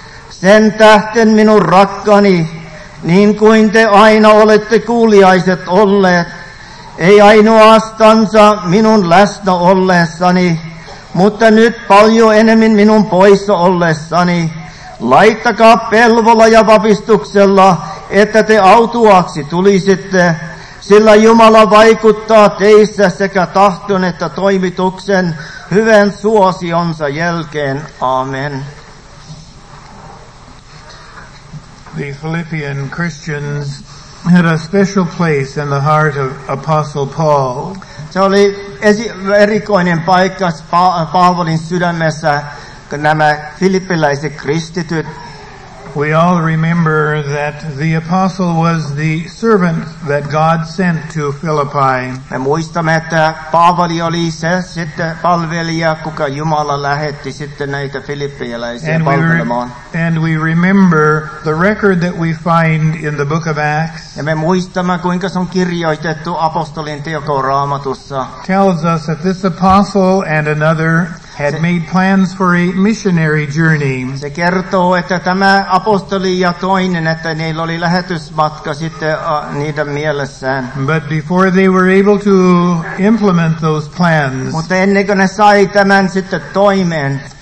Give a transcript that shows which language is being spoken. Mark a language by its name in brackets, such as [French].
[Finnish] Sen tähden minun rakkani, niin kuin te aina olette kuuliaiset olleet, ei ainoastansa minun läsnä ollessani, mutta nyt paljon enemmän minun poissa ollessani, laittakaa pelvolla ja vapistuksella että te autuaksi tulisitte, sillä Jumala vaikuttaa teissä sekä tahton että toimituksen hyvän suosionsa jälkeen. Amen. [English] The Philippian Christians had a special place in the heart of Apostle Paul. [Finnish] Se oli erikoinen paikka Paavolin sydämessä, nämä filippiläiset kristityt. [English] We all remember that the apostle was the servant that God sent to Philippi. [Finnish] Me muistamme, että Paavali oli se sitten palvelija, kuka Jumala lähetti sitten näitä filippiläisiä palvelemaan. [English] And we remember the record that we find in the book of Acts. [Finnish] Ja me muistamme, kuinka se on kirjoitettu apostolin teko Raamatussa. [English] Tells us that this apostle and another had made plans for a missionary journey. [Finnish] Se kertoo, että tämä apostoli ja toinen, että niillä oli lähetysmatka sitten niiden mielessään. [English] But before they were able to implement those plans, [Finnish] mutta ennen kuin ne sai tämän sitten toimeen,